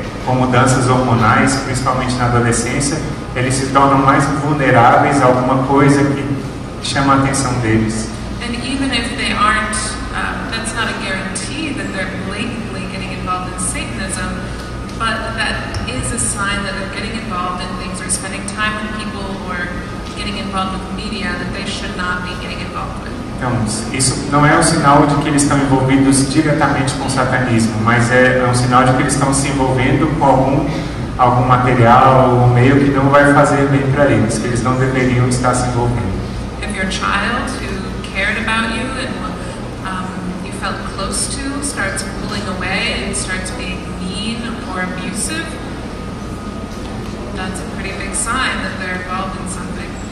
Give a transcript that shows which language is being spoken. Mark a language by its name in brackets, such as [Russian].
[Portuguese] com mudanças hormonais, principalmente na adolescência, eles se tornam mais vulneráveis a alguma coisa que chama a atenção deles. [English] And even if they aren't, that's not a guarantee that they're blatantly getting involved in Satanism, but that is a sign that they're getting involved in things or spending time with people or getting involved with media that they should not be getting involved with. [Portuguese] Então, isso não é um sinal de que eles estão envolvidos diretamente com o satanismo, mas é um sinal de que eles estão se envolvendo com algum material, algum meio que não vai fazer bem para eles, que eles não deveriam estar se envolvendo. [English] If your child who cared about you and you felt close to starts pulling away and starts being mean or abusive, that's a pretty big sign that they're involved in something.